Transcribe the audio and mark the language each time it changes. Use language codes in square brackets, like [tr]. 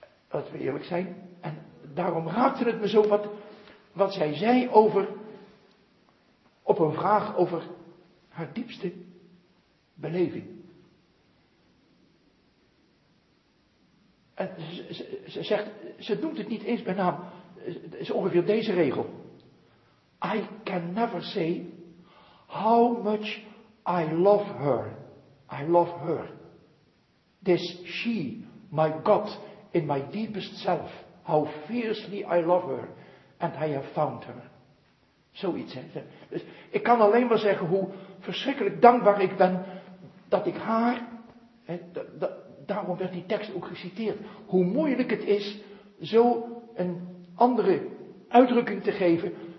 [nl] Laten we eerlijk zijn. En daarom raakte het me zo wat zij zei over, op een vraag over haar diepste beleving. En ze noemt het niet eens bij naam. Het is ongeveer deze regel. [en] I can never say how much I love her. I love her. This she, my God, in my deepest self. How fiercely I love her. And I have found her. [nl] Zoiets. Hè? Dus ik kan alleen maar zeggen hoe verschrikkelijk dankbaar ik ben dat ik haar, hè, daarom werd die tekst ook geciteerd. Hoe moeilijk het is zo een andere uitdrukking te geven.